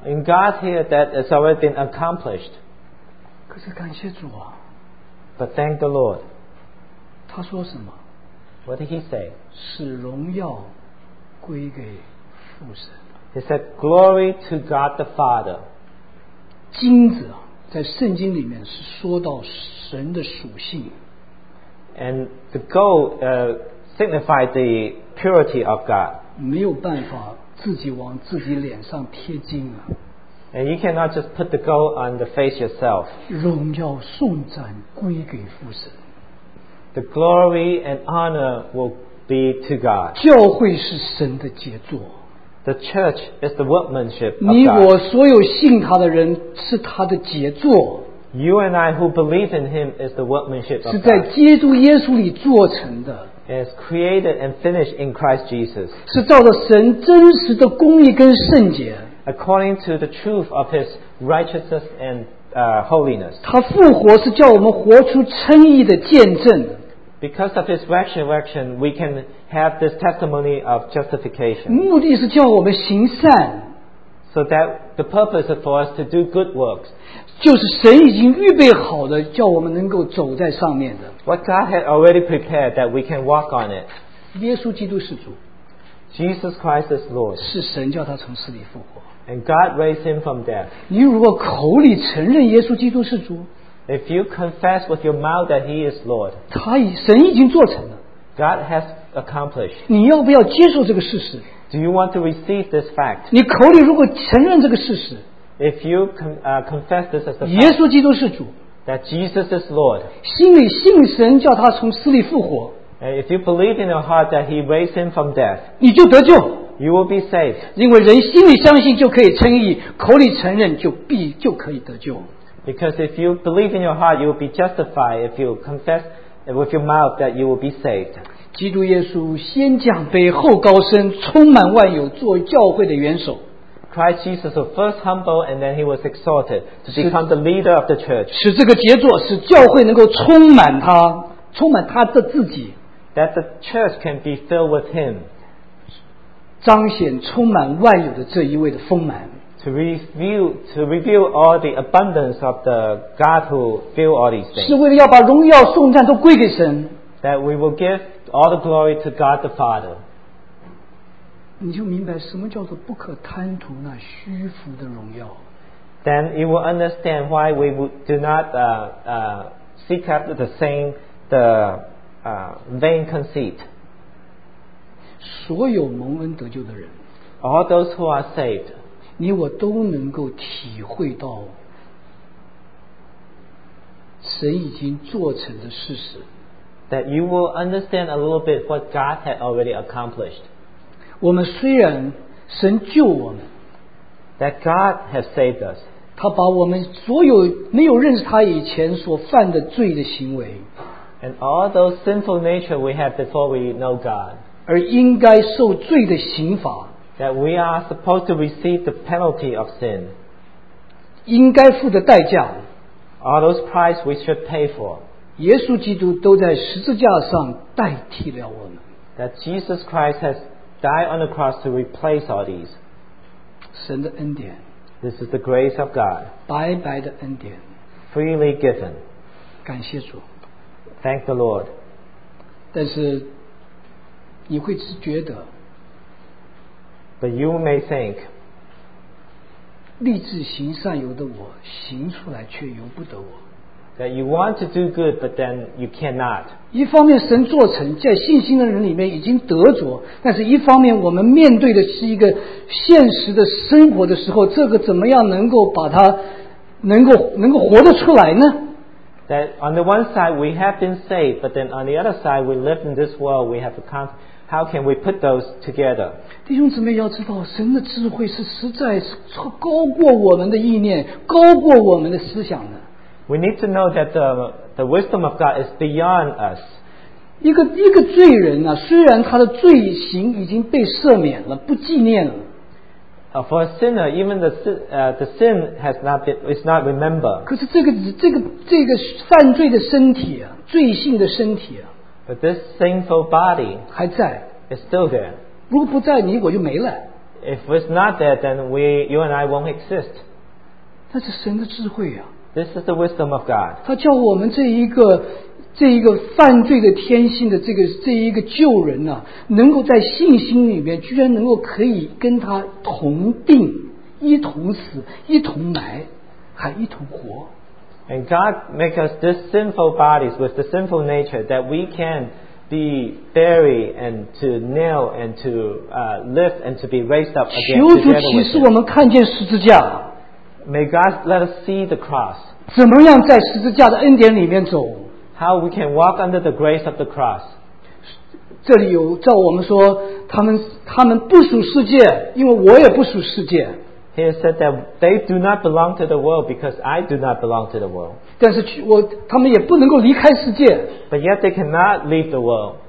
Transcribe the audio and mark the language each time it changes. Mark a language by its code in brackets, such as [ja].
[en] in God's here, that has already been accomplished. [zh] 可是感谢主啊, [en] but thank the Lord. [zh] 他说什么? [en] What did he say? [zh] 使荣耀归给父神。 [en] He said, glory to God the Father. [zh] 金子, 在圣经里面是说到神的属性, [en] and the gold signified the purity of God. [zh] 没有办法自己往自己脸上贴金啊, [en] and you cannot just put the gold on the face yourself. [zh] 荣耀颂赞归给父神。 [en] The glory and honor will be to God. [zh] 教会是神的杰作。 [en] The church is the workmanship of God. [zh] 你我所有信他的人是他的杰作。 [en] You and I who believe in him is the workmanship of God. [zh] 是在基督耶稣里做成的。 [en] Is created and finished in Christ Jesus. [zh] 是照着神真实的公义跟圣洁。 [en] According to the truth of his righteousness and holiness. [zh] 他复活是叫我们活出称义的见证。 [en] Because of his resurrection, we can have this testimony of justification. [zh] 目的是叫我们行善。 [en] So that the purpose is for us to do good works. [zh] 就是神已经预备好的叫我们能够走在上面的。 [en] What God had already prepared that we can walk on it. [zh] 耶稣基督是主。 [en] Jesus Christ is Lord. [zh] 是神叫他从死里复活。 [en] And God raised him from death. [zh] 你如果口里承认耶稣基督是主。 [en] If you confess with your mouth that he is Lord. [zh] 他已神已经做成了。 [en] God has accomplished. [zh] 你要不要接受这个事实？ [en] Do you want to receive this fact? [zh] 你口里如果承认这个事实, [en] if you confess this as the fact, [zh] 耶稣基督是主, [en] that Jesus is Lord, [zh] 心里信神叫他从死里复活, [en] if you believe in your heart that he raised him from death, [zh] 你就得救, [en] you will be saved. [zh] 因为人心里相信就可以称义, 口里承认就可以得救。 [en] Because if you believe in your heart, you will be justified if you confess with your mouth that you will be saved. [zh] 基督耶稣先降卑后高升充满万有做教会的元首 [en] Christ Jesus was first humble and then he was exalted to become the leader of the church [zh] 使这个杰作使教会能够充满他充满他的自己 [en] that the church can be filled with him [zh] 彰显充满万有的这一位的丰满 [en] to reveal all the abundance of the God who filled all these things [zh] 是为了要把荣耀颂赞都归给神 [en] that we will giveAll the glory to God the Father. [zh] 你就明白什么叫做不可贪图那虚浮的荣耀。 [en] Then you will understand why we do not seek after the same the vain conceit. [zh] 所有蒙恩得救的人 [en] All those who are saved. [zh] 你我都能够体会到神已经做成的事实。 [en] That you will understand a little bit what God had already accomplished. [zh] 我们虽然神救我们 [en] That God has saved us. [zh] 他把我们所有没有认识他以前所犯的罪的行为 [en] And all those sinful nature we had before we know God. [zh] 而应该受罪的刑罚 [en] That we are supposed to receive the penalty of sin. [zh] 应该付的代价 [en] All those price we should pay for. [zh] 耶稣基督都在十字架上代替了我们。 [en] That Jesus Christ has died on the cross to replace all these. [zh] 神的恩典。 [en] This is the grace of God. [zh] 白白的恩典。 [en] Freely given. [zh] 感谢主。 [en] Thank the Lord. [zh] 但是你会只觉得。 [en] But you may think. [zh] 立志行善由得我，行出来却由不得我。 [en] That you want to do good, but then you cannot. [zh] 一方面神做成，在信心的人里面已经得着，但是一方面我们面对的是一个现实的生活的时候，这个怎么样能够把它能够活得出来呢？ [en] That on the one side we have been saved, but then on the other side we live in this world, we have a constant. How can we put those together? [zh] 弟兄姊妹要知道，神的智慧是实在是高过我们的意念，高过我们的思想的。 [en] We need to know that the wisdom of God is beyond us. [zh] 一个罪人啊，虽然他的罪行已经被赦免了，不纪念了。 [en] For a sinner, even the sin has not been is not remembered. [zh] 可是这个犯罪的身体啊，罪性的身体啊 [en] ，But this sinful body [zh] 还在 [en] ，is still there. [zh] 如果不在，你我就没了。 [en] If it's not there, then you and I won't exist. [zh] 那是神的智慧啊。 [en] This is the wisdom of God. [zh] 他叫我们这一个犯罪的天性的这一个救人啊，能够在信心里面，居然能够可以跟他同病，一同死，一同埋，还一同活。 [en] And God makes us this sinful bodies with the sinful nature that we can be buried and to nail and to live and to be raised up again. [zh] 求主启示我们看见十字架。 [en] May God let us see the cross. [zh] 怎么样在十字架的恩典里面走？ [en] How we can walk under the grace of the cross. [zh] 这里有照我们说，他们不属世界，因为我也不属世界。 [en] He said that they do not belong to the world because I do not belong to the world. [zh] 但是我, 他们也不能够离开世界, [en] but yet they cannot leave the world.